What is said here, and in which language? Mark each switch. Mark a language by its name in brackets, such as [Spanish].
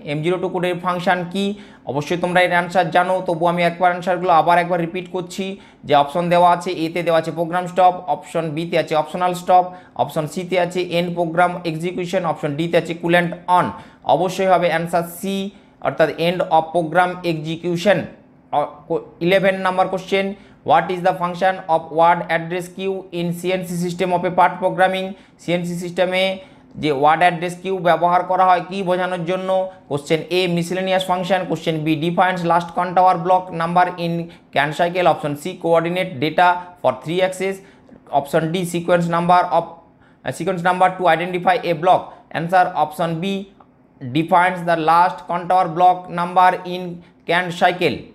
[Bangla] M02 কোডের function কী? অবশ্যই তোমরা এর অ্যান্সার জানো, তবু আমি একবার অ্যান্সারগুলো আবার একবার রিপিট করছি। যে অপশন দেওয়া আছে এতে দেওয়া আছে প্রোগ্রাম স্টপ, অপশন বিতে আছে অপশনাল স্টপ, অপশন সিতে আছে এন প্রোগ্রাম এক্সিকিউশন, অপশন ডিতে আছে কুলেন্ট অন। অবশ্যই হবে অ্যান্সার সি, অর্থাৎ end of programme execution. 11 number question, [English] What is the function of word address queue in CNC system of a part programming? CNC system a [Bangla] যে word address Q ব্যবহার করা হয় কি বোঝানোর জন্য [English] question A miscellaneous function question B defines last contour block number in can cycle option C coordinate data for three axes option D sequence number of sequence number to identify a block answer option B defines the last contour block number in can cycle